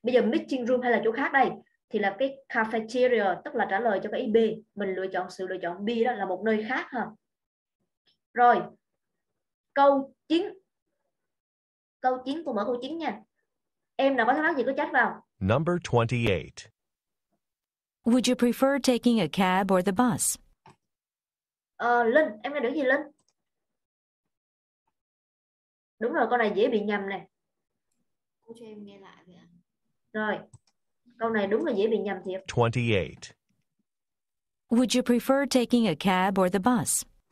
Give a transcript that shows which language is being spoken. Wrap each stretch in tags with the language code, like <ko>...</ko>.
<vi>Bây giờ meeting room hay là chỗ khác đây, thì là cái cafeteria, tức là trả lời cho cái B. Mình lựa chọn sự lựa chọn B đó là một nơi khác hả? Rồi. Câu 9, cô mở câu 9 nha. Em nào có thắc mắc gì cứ chat vào.</vi> <en>Number 28. Would you prefer taking a cab or the bus?</en> <vi>Linh, em nghe được gì Linh? Đúng rồi, con này dễ bị nhầm nè. cho em nghe lại vậy ạ. Rồi. Câu này đúng là dễ bị nhầm thiệt.</vi> <en>28. Would you prefer taking a cab or the bus?</en>